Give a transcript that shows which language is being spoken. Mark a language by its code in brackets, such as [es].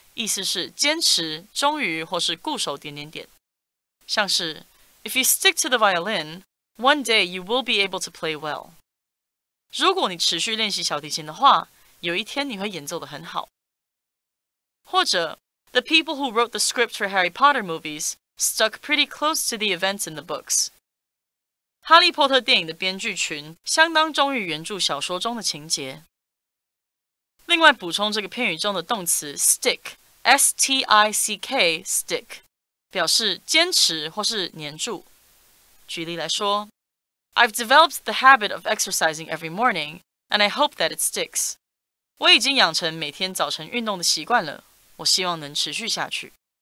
[zh] 意思是坚持、忠于或是固守点点点。像是 [en] If you stick to the violin, one day you will be able to play well. [zh] 如果你持续练习小提琴的话，有一天你会演奏得很好。或者 [en] The people who wrote the script for Harry Potter movies stuck pretty close to the events in the books. [zh] 哈利波特电影的编剧群相当忠于原著小说中的情节。另外补充这个片语中的动词 stick, S-T-I-C-K, stick, 表示坚持或是黏住。举例来说 [en] I've developed the habit of exercising every morning, and I hope that it sticks. [zh] 我已经养成每天早晨运动的习惯了，我希望能持续下去。